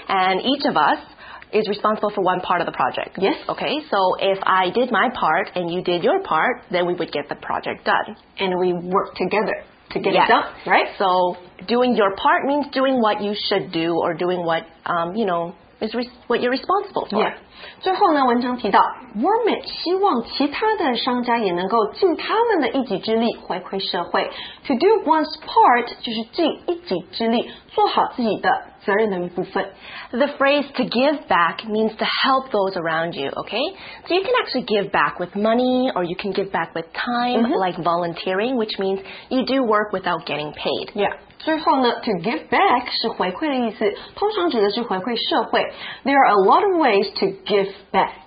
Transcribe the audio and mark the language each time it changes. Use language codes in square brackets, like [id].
[en] And each of us,is responsible for one part of the project. Yes. Okay, so if I did my part and you did your part, then we would get the project done. And we work together to get、yes. it done, right? So doing your part means doing what you should do or doing what, you know, is what you're responsible for. Yeah. [zh] 最后呢文章提到 Wortman 希望其他的商家也能够尽他们的一己之力回馈社会。 [en] To do one's part [zh] 就是尽一己之力做好自己的 [en] The phrase to give back means to help those around you, okay? So you can actually give back with money or you can give back with time,、 mm-hmm. like volunteering, which means you do work without getting paid. [zh] Yeah. 最后呢 to give back 是回馈的意思通常指的是回馈社会 [en] There are a lot of ways to give back.